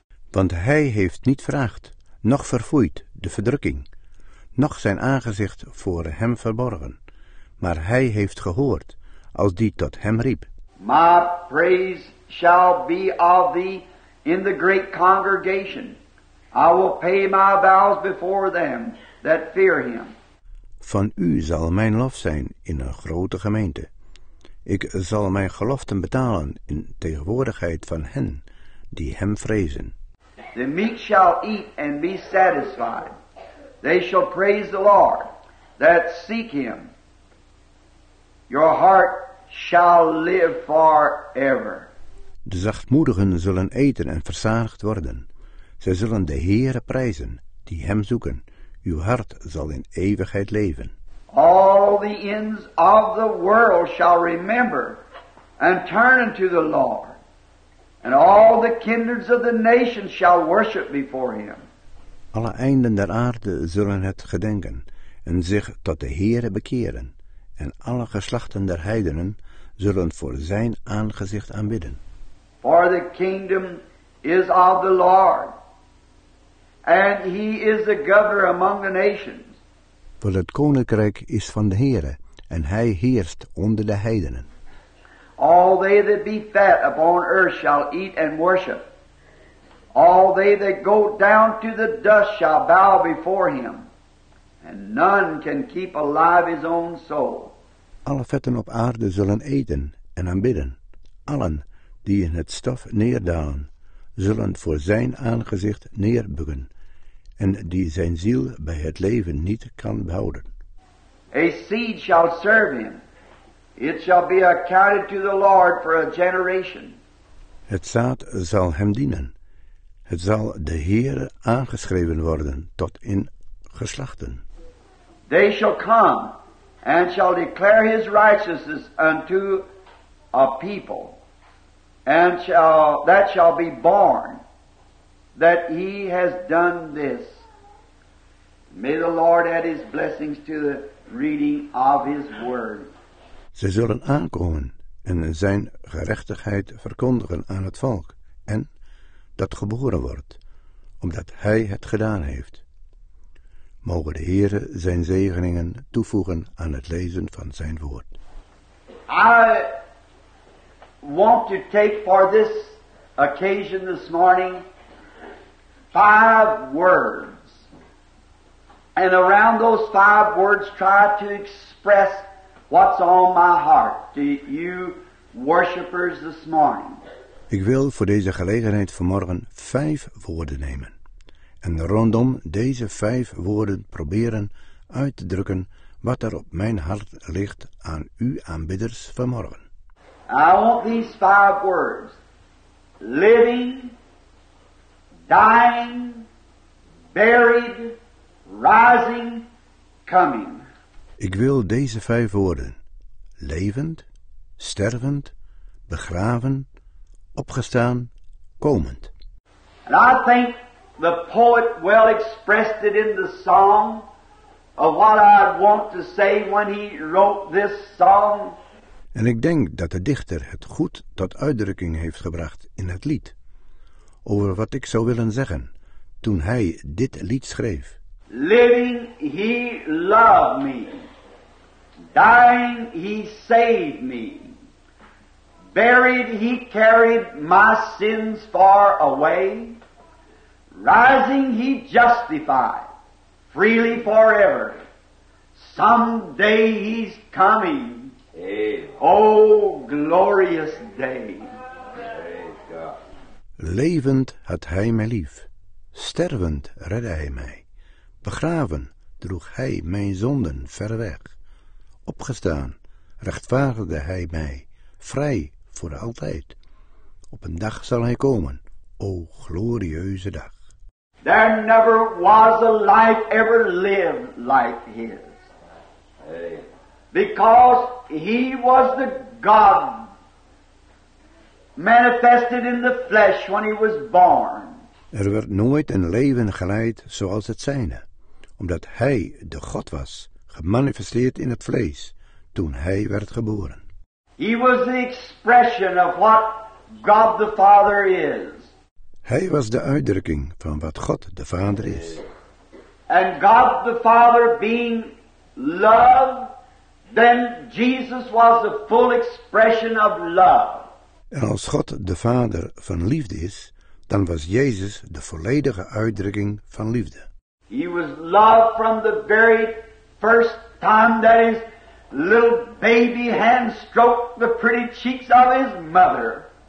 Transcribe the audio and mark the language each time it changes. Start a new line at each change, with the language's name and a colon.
Dutch: Want hij heeft niet vraagd, noch verfoeid de verdrukking. Nog zijn aangezicht voor hem verborgen, maar hij heeft gehoord als die tot hem riep.
English: My praise shall be of thee in the great congregation. I will pay my vows before them that fear him.
Dutch: Van u zal mijn lof zijn in een grote gemeente. Ik zal mijn geloften betalen in tegenwoordigheid van hen die hem vrezen.
English: The meek shall eat and be satisfied. They shall praise the Lord that seek him. Your heart shall live forever.
Dutch: De zachtmoedigen zullen eten en verzadigd worden. Zij zullen de Heere prijzen die hem zoeken. Uw hart zal in eeuwigheid leven.
English: All the ends of the world shall remember and turn unto the Lord. And all the kindreds of the nations shall worship before him.
Dutch: Alle einden der aarde zullen het gedenken en zich tot de Heere bekeren. En alle geslachten der heidenen zullen voor zijn aangezicht aanbidden.
English: For the kingdom is of the Lord, and he is the governor among the nations.
Dutch: Voor het koninkrijk is van de Heere en hij heerst onder de heidenen.
English: All they that be fat upon earth shall eat and worship. All they that go down to the dust shall bow before him, and none can keep alive his own soul.
Dutch: Alle vetten op aarde zullen eten en aanbidden. Allen die in het stof neerdalen, zullen voor zijn aangezicht neerbukken, en die zijn ziel bij het leven niet kan behouden.
English: A seed shall serve him. It shall be accounted to the Lord for a generation.
Dutch: Het zaad zal hem dienen. Het zal de Heere aangeschreven worden tot in geslachten.
English: They shall come and shall declare his righteousness unto a people, and that shall be born that he has done this. May the Lord add his blessings to the reading of his word.
Dutch: Ze zullen aankomen en zijn gerechtigheid verkondigen aan het volk en dat geboren wordt, omdat hij het gedaan heeft. Mogen de Heere zijn zegeningen toevoegen aan het lezen van zijn woord.
English: I want to take for this occasion this morning five words. And around those five words try to express what's on my heart to you worshipers this morning.
Dutch: Ik wil voor deze gelegenheid vanmorgen vijf woorden nemen. En rondom deze vijf woorden proberen uit te drukken wat er op mijn hart ligt aan u aanbidders vanmorgen.
English: I want these five words. Living, dying, buried, rising, coming.
Dutch: Ik wil deze vijf woorden. Levend, stervend, begraven, opgestaan, komend.
English: And I think the poet well expressed it in the song of what I want to say when he wrote this song.
Dutch: En ik denk dat de dichter het goed tot uitdrukking heeft gebracht in het lied over wat ik zou willen zeggen toen hij dit lied schreef.
English: Living, he loved me. Dying, he saved me. Buried, he carried my sins far away. Rising, he justified freely forever. Someday he's coming. Hey. Oh, glorious day.
Dutch: Levend had hij mij lief. Stervend redde hij mij. Begraven droeg hij mijn zonden ver weg. Opgestaan rechtvaardigde hij mij vrij voor altijd. Op een dag zal hij komen. O, glorieuze dag.
English: There never was a life ever lived like his. Because he was the God manifested in the flesh when he was born.
Dutch: Er werd nooit een leven geleid zoals het zijne, omdat hij de God was, gemanifesteerd in het vlees, toen hij werd geboren.
English: He was the expression of what God the Father is.
Dutch: Hij was de uitdrukking van wat God de Vader is.
English: And God the Father being love, then Jesus was the full expression of love.
Dutch: En als God de Vader van liefde is, dan was Jezus de volledige uitdrukking van liefde.
English: He was love from the very first time that his little baby hand stroked the pretty cheeks of his mother.